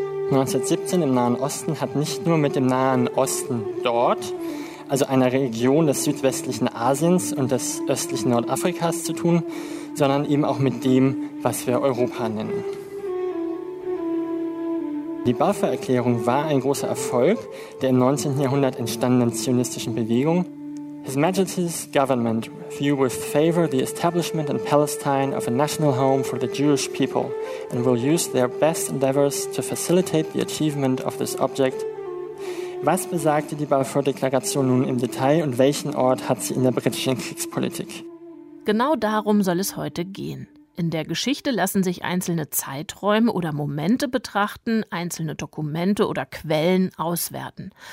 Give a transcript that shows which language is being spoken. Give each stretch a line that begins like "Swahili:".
German: 1917 im Nahen Osten hat nicht nur mit dem Nahen Osten dort, also einer Region des südwestlichen Asiens und des östlichen Nordafrikas zu tun, sondern eben auch mit dem, was wir Europa nennen. Die Balfour-Erklärung war ein großer Erfolg der im 19. Jahrhundert entstandenen zionistischen Bewegung.
English: His Majesty's Government view with favor the establishment in Palestine of a national home for the Jewish people and will use their best endeavors to facilitate the achievement of this object.
German: Was besagte die Balfour-Deklaration nun im Detail und welchen Ort hat sie in der britischen Kriegspolitik? Genau darum soll es heute gehen. In der Geschichte lassen sich einzelne Zeiträume oder Momente betrachten, einzelne Dokumente oder Quellen auswerten.